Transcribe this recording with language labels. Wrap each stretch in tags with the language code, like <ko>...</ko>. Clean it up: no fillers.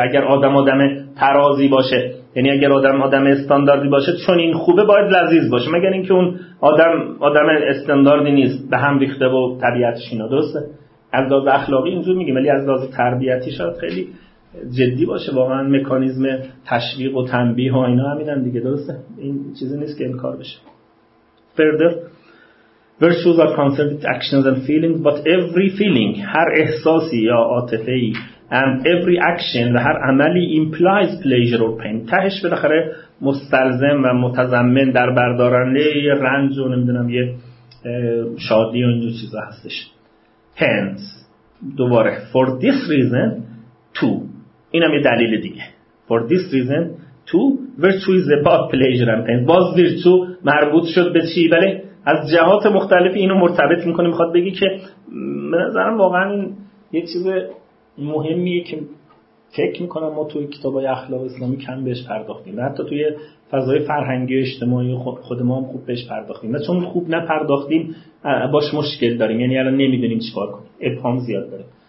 <fa>اگر آدم آدم ترازی باشه، یعنی اگر آدم آدم استانداردی باشه، چون این خوبه باید لذیذ باشه، مگر اینکه اون آدم آدم استانداردی نیست، به هم ریخته و طبیعتش اینا. درسته از لحاظ اخلاقی اینجور میگیم، ولی از لحاظ تربیتی شاید خیلی جدی باشه واقعا، مکانیزم تشویق و تنبیه و اینا همینن دیگه. درسته این چیزی نیست که انکار بشه.</fa> <en>further virtues are concerned with actions and feelings, but every feeling,</en> <fa>هر احساسی یا عاطفه‌ای،</fa> <en>and every action</en> <fa>و هر عملی</fa> <en>implies pleasure or pain.</en> <fa>تهش بالاخره مستلزم و متضمن در بردارنده رنج و نمیدونم یه شادی و اینجور چیزا هستش.</fa> <en>Hence</en> <fa>دوباره</fa> <en>for this reason two،</en> <fa>اینم یه دلیل دیگه.</fa> <en>For this reason two virtue is about pleasure and pain.</en> <fa>باز virtue مربوط شد به چی؟ بله از جهات مختلفی اینو مرتبط میکنه. میخواد بگی که به نظرم واقعا این یه چیز مهمیه که فکر میکنم ما توی کتابای اخلاق اسلامی کم بهش پرداختیم، حتی توی فضای فرهنگی و اجتماعی خود ما هم خوب بهش پرداختیم، و چون خوب نپرداختیم باش مشکل داریم، یعنی الان نمیدونیم چیکار کنیم، ابهام زیاد داره.</fa>